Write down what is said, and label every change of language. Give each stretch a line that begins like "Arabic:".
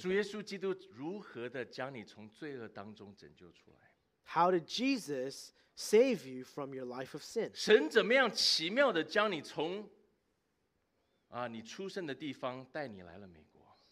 Chinese: 主耶稣基督如何的将你从罪恶当中拯救出来?
English: How did Jesus save you from your life of sin?
Chinese: 神怎么样奇妙的将你从你出生的地方带你来了美国?